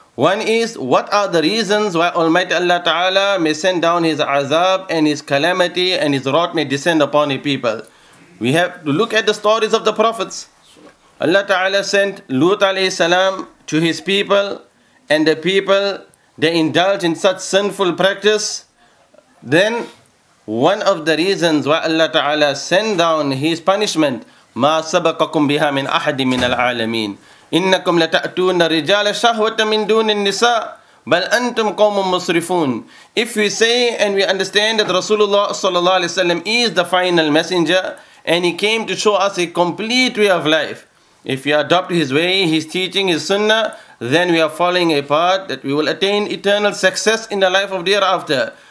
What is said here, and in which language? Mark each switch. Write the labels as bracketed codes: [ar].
[en] One is, what are the reasons why Almighty Allah Ta'ala may send down His azab and His calamity and His wrath may descend upon a people? We have to look at the stories of the prophets. Allah Ta'ala sent Lut alayhi salam to his people, and the people, they indulge in such sinful practice. Then, one of the reasons why Allah Ta'ala sent down His punishment, [ar] مَا سَبَقَكُمْ بِهَا مِنْ أَحَدٍ مِنَ الْعَالَمِينَ إِنَّكُمْ لَتَأْتُونَ الرِّجَالَ شَهْوَةً مِنْ دُونِ النِّسَاءِ بَلْ أَنْتُمْ قَوْمٌ مُصْرِفُونَ. [en] If we say and we understand that Rasulullah sallallahu alaihi wasallam is the final messenger and he came to show us a complete way of life, if we adopt his way, his teaching, his sunnah, then we are following a path that we will attain eternal success in the life of the hereafter.